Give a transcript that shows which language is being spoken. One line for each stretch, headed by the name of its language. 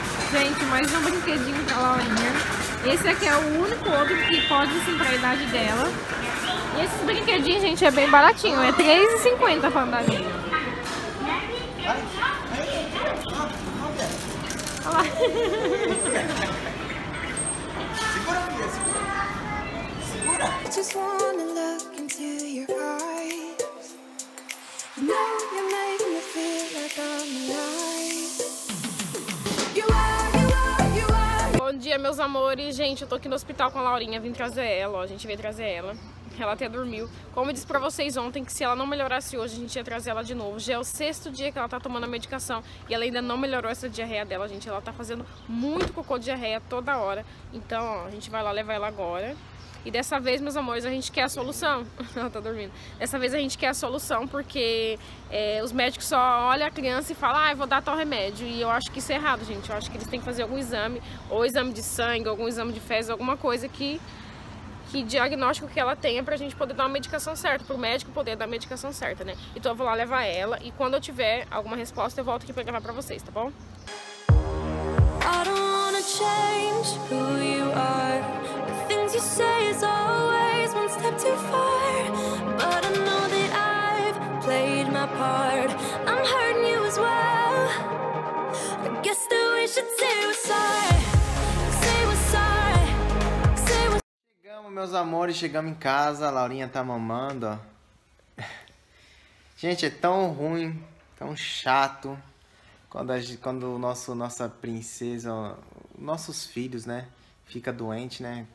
Portuguese: Gente, mais um brinquedinho pra Laurinha. Esse aqui é o único outro que pode sim pra idade dela. E esses brinquedinhos, gente, é bem baratinho. É R$3,50 pra andar nele. Olha lá. Segura.
English: I just wanna look into your eyes. Now you're making me feel like I'm alive. You are, you are, you are.
Portuguese: Bom dia, meus amores. Gente, eu tô aqui no hospital com a Laurinha. Vim trazer ela, ó. A gente veio trazer ela. Ela até dormiu. Como eu disse pra vocês ontem, que se ela não melhorasse hoje, a gente ia trazer ela de novo. Já é o sexto dia que ela tá tomando a medicação e ela ainda não melhorou essa diarreia dela, gente. Ela tá fazendo muito cocô de diarreia toda hora. Então, ó, a gente vai lá levar ela agora. E dessa vez, meus amores, a gente quer a solução. Ela tá dormindo. Dessa vez a gente quer a solução, porque os médicos só olham a criança e falam, ah, eu vou dar tal remédio. E eu acho que isso é errado, gente. Eu acho que eles têm que fazer algum exame, ou exame de sangue, algum exame de fezes, alguma coisa que diagnóstico que ela tenha pra gente poder dar uma medicação certa, pro médico poder dar a medicação certa, né? Então eu vou lá levar ela e quando eu tiver alguma resposta, eu volto aqui pra gravar pra vocês, tá bom?
English: I don't wanna change who you are. You say it's always one step too far, but I know that I've played my part. I'm hurting you as well. I guess that we should say we're sorry. Say we're sorry. Say we're sorry.
Portuguese: Chegamos, meus amores, chegamos em casa. A Laurinha tá mamando, ó. Gente, é tão ruim, tão chato quando o nosso, nossa princesa, nossos filhos, né, fica doente, né?